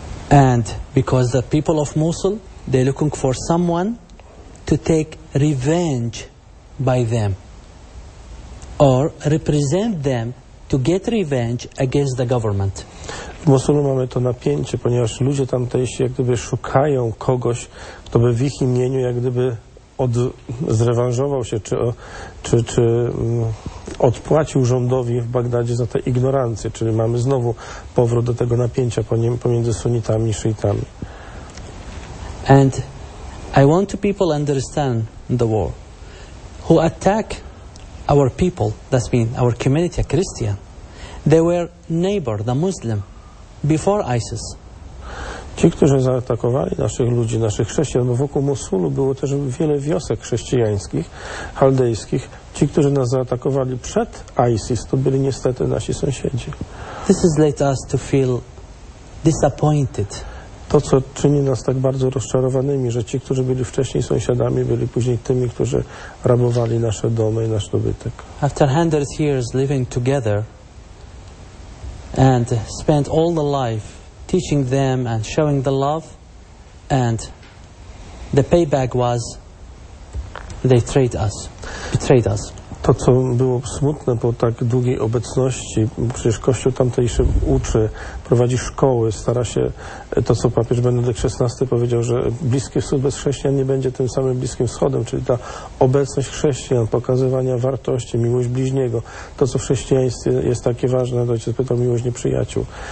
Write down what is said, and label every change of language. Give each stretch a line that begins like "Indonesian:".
English: And because the people of Mosul, they're looking for someone to take revenge by them or represent them to get revenge against the government.
Polish: W Mosulu mamy to napięcie, ponieważ ludzie tamtejsi jak gdyby szukają kogoś, kto by w ich imieniu jak gdyby zrewanżował się czy odpłacił rządowi w Bagdadzie za tę ignorancję, czyli mamy znowu powrót do tego napięcia pomiędzy sunnitami i szyitami.
English: And I want to people understand the war. Who attack our people, that's mean our community, a Christian, they were neighbor, the Muslim, before ISIS.
Polish: Ci, którzy zaatakowali naszych ludzi, naszych chrześcijan, bo wokół Mosulu było też wiele wiosek chrześcijańskich, chaldejskich. Ci, którzy nas zaatakowali przed ISIS, to byli niestety nasi sąsiedzi.
English: This has led us to feel disappointed.
Polish: To, co czyni nas tak bardzo rozczarowanymi, że ci, którzy byli wcześniej sąsiadami, byli później tymi, którzy rabowali nasze domy i nasz dobytek.
English: After hundreds of years living together and spent all the life teaching them and showing the love, and the payback was they betrayed us.
Polish: To, co było smutne po tak długiej obecności, przecież Kościół tamtejszy uczy, prowadzi szkoły, stara się, to co papież Benedykt XVI powiedział, że Bliski Wschód bez chrześcijan nie będzie tym samym Bliskim Wschodem, czyli ta obecność chrześcijan, pokazywania wartości, miłość bliźniego, to co w chrześcijaństwie jest takie ważne, ojciec pytał, miłość nieprzyjaciół.